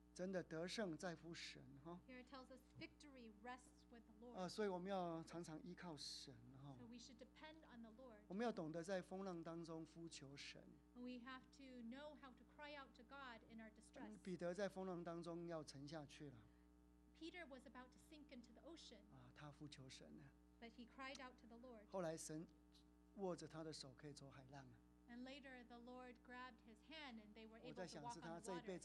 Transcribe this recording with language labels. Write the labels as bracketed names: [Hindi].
[Chinese] 杰森，21章31节，真的得胜在乎神哈。 [English] Here it tells us victory rests with the Lord. [Chinese] 所以我们要常常依靠神哈。 [English] So we should depend on the Lord. [Chinese] 我们要懂得在风浪当中呼求神。 [English] We have to know how to cry out to God in our distress. [Chinese] 彼得在风浪当中要沉下去了。 [English] Peter was about to sink into the ocean. [Chinese] 他呼求神啊, [English] but he cried out to the Lord. [Chinese] 后来神握着他的手可以走海浪啊, [English] and later the Lord grabbed his hand and they were able to walk on the water.